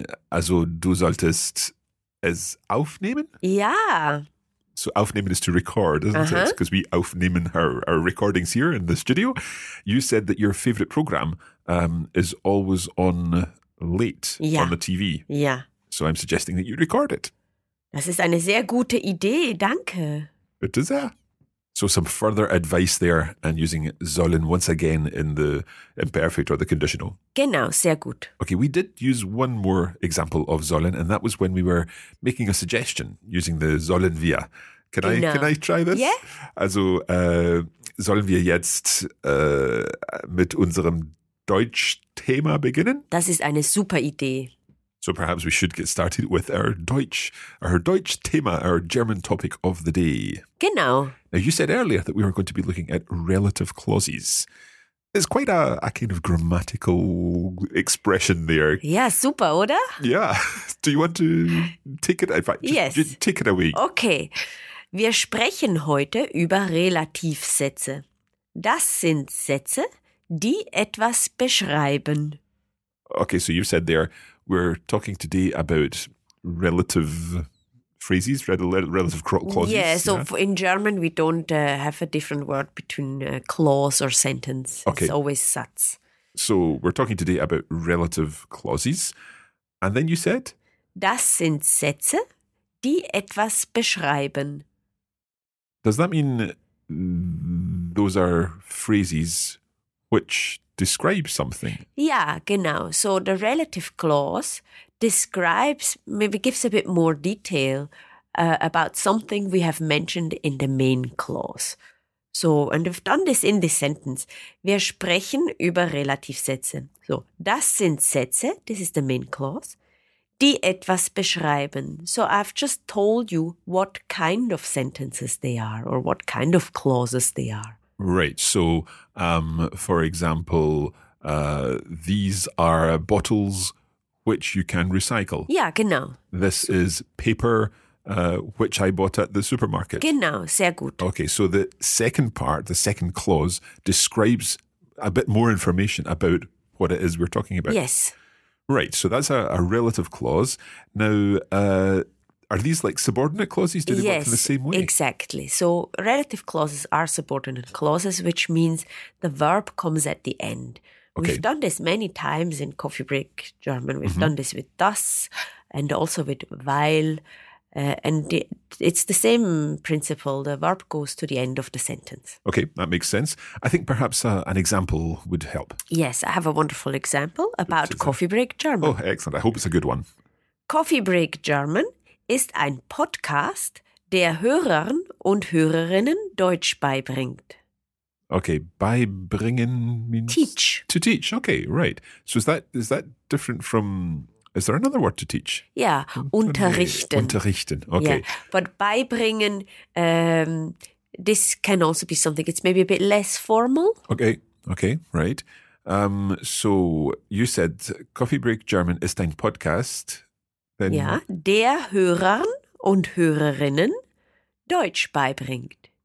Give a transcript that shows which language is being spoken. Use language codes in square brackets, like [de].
[de] Also du solltest es aufnehmen? Ja. [en] So aufnehmen is to record, isn't it? Because we aufnehmen our recordings here in the studio. You said that your favorite program is always on late on the TV. [de] Ja. [en] So I'm suggesting that you record it. [de] Das ist eine sehr gute Idee, danke. [en] It is, So some further advice there and using sollen once again in the imperfect or the conditional. [de] Genau, sehr gut. [en] Okay, we did use one more example of sollen and that was when we were making a suggestion using the sollen wir. Can I try this? Yeah. [de] Also sollen wir jetzt mit unserem Deutsch-Thema beginnen? Das ist eine super Idee. [en] So perhaps we should get started with our Deutsch-Thema, our German topic of the day. [de] Genau. [en] Now, you said earlier that we were going to be looking at relative clauses. It's quite a kind of grammatical expression there. Yeah, super, [de] oder? [en] Yeah. Do you want to take it? Just take it away. Okay. [de] Wir sprechen heute über Relativsätze. Das sind Sätze, die etwas beschreiben. [en] Okay, so you said there, we're talking today about relative phrases, relative clauses. Yeah, so yeah. In German we don't have a different word between clause or sentence. Okay. It's always Satz. So we're talking today about relative clauses. And then you said? [de] Das sind Sätze, die etwas beschreiben. [en] Does that mean those are phrases which describe something? Yeah, [de] genau. [en] So the relative clause describes, maybe gives a bit more detail about something we have mentioned in the main clause. So, and we've done this in this sentence. [de] Wir sprechen über Relativsätze. So, das sind Sätze, [en] this is the main clause, [de] die etwas beschreiben. [en] So I've just told you what kind of sentences they are or what kind of clauses they are. Right. So, for example, these are bottles which you can recycle. Yeah, [de] genau. [en] This is paper which I bought at the supermarket. [de] Genau, sehr gut. [en] Okay, so the second part, the second clause, describes a bit more information about what it is we're talking about. Yes. Right, so that's a relative clause. Now, are these like subordinate clauses? Do they yes, work in the same way? Exactly. So relative clauses are subordinate clauses, which means the verb comes at the end. Okay. We've done this many times in Coffee Break German. We've done this with das and also with weil. And it's the same principle. The verb goes to the end of the sentence. Okay, that makes sense. I think perhaps an example would help. Yes, I have a wonderful example about Coffee Break German. Oh, excellent. I hope it's a good one. [de] Coffee Break German ist ein Podcast, der Hörern und Hörerinnen Deutsch beibringt. [en] Okay, beibringen means... Teach. To teach, okay, right. So is that different from... Is there another word to teach? Yeah, unterrichten. Unterrichten, okay. Yeah. But beibringen, this can also be something, it's maybe a bit less formal. Okay, right. So you said Coffee Break German [de] ist ein Podcast. [en] Then yeah, [de] der Hörern und Hörerinnen Deutsch beibringt.